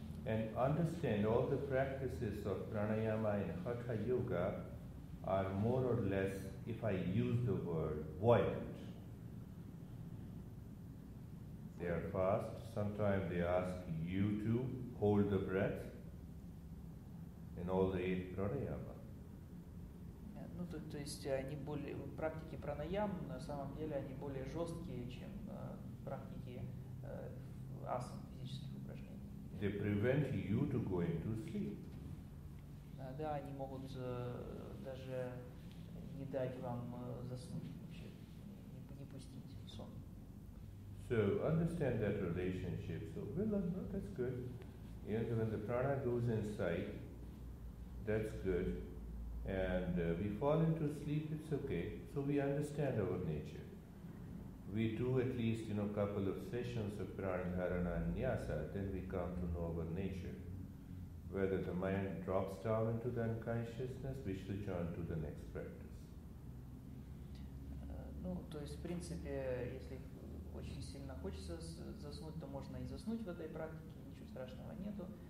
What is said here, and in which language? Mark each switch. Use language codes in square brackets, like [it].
[en] And understand all the practices of pranayama and hatha yoga are more or less, if I use the word, violent. They are fast. Sometimes they ask you to hold the breath in all the eight pranayama. [ru] Ну, то есть они более практики пранаям, на самом деле они более жесткие, чем практики асан физических упражнений. [en] They prevent you to go into sleep. [ru] Да, они могут даже не дать вам заснуть вообще, не пустить в сон. [en] So understand that relationship. So well, that's good. And when the prana goes inside, that's good. And we fall into sleep, it's okay. So we understand our nature. We do at least, you know, a couple of sessions of pranayama and nyasa, then we come to know our nature. Whether the mind drops down into the unconsciousness, we should join to the next practice. [ru] Ну, то есть, в принципе, если очень сильно хочется заснуть, то можно и заснуть в этой практике, ничего страшного нету.